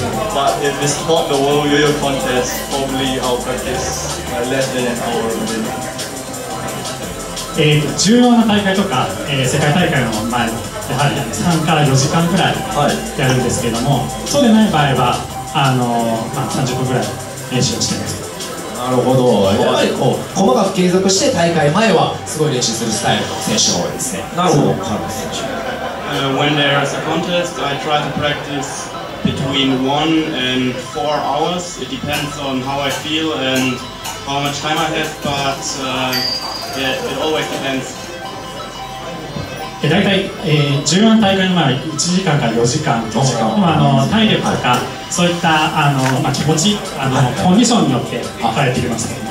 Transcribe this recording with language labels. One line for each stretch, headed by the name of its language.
English: But if it's not the World Yo-Yo Contest, probably I'll practice less than an hour a day.
Japanese: 重要な大会とか、世界大会の前もやはり3から4時間くらいやるんですけれども、はい、そうでない場合は、まあ、30分くらい練習をしてます。なるほど。やっぱりこう細かく継続して大会前はすごい練習するスタイルの選手が多いですね。なるほど。カルロス選手、
English: When there is a contest, I try to practice between 1 and 4 hours. It depends on how I feel and how much time I have, but it always depends.
Japanese: 大体、重要な大会の前は1時間から4時間と、まあ、体力とかそういったまあ、気持ち、コンディションによって変えていきますね。